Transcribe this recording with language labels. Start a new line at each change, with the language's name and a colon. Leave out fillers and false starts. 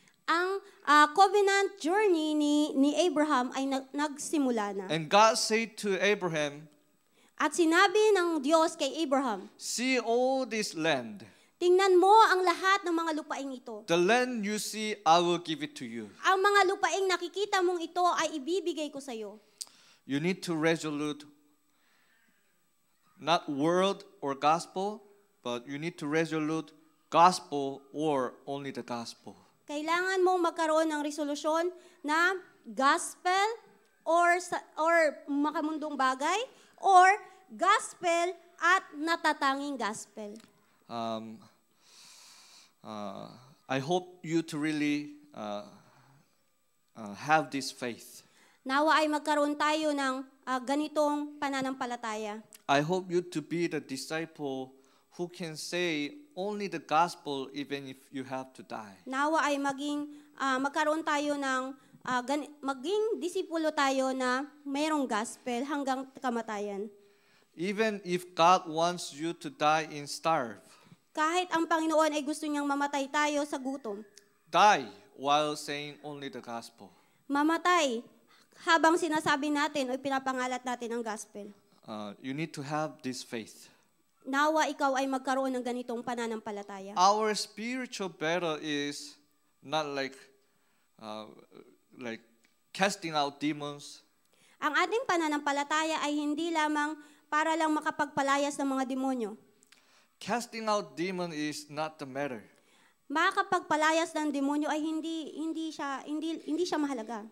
Filipino: Ang covenant journey ni Abraham ay nagsimula na.
English: And God said to Abraham,
Filipino: at sinabi ng Diyos kay Abraham,
English: see all this land.
Filipino: Tingnan mo ang lahat ng mga lupaing ito.
English: The land you see, I will give it to you.
Filipino: Ang mga lupaing nakikita mong ito ay ibibigay ko sa iyo.
English: You need to resolute not world or gospel, but you need to resolute gospel or only the gospel.
Filipino: Kailangan mong magkaroon ng resolusyon na gospel or makamundong bagay or gospel at natatanging gospel.
English: I hope you to really have this faith.
Filipino: Nawa ay magkaroon tayo ng ganitong pananampalataya.
English: I hope you to be the disciple who can say only the gospel even if you have to die.
Filipino: Nawa ay maging magkaroon tayo ng maging disipulo tayo na mayroong gospel hanggang kamatayan.
English: Even if God wants you to die in starve.
Filipino: Kahit ang Panginoon ay gusto niyang mamatay tayo sa gutom.
English: Die while saying only the gospel.
Filipino: Mamatay habang sinasabi natin o pinapangalat natin ang gospel.
English: You need to have this faith.
Filipino: Nawa ikaw ay magkaroon ng ganitong pananampalataya.
English: Our spiritual battle is not like casting out demons.
Filipino: Ang ating pananampalataya ay hindi lamang para lang makapagpalayas ng mga demonyo.
English: Casting out demon is not the matter.
Filipino: Makapagpalayas ng demonyo ay hindi siya mahalaga.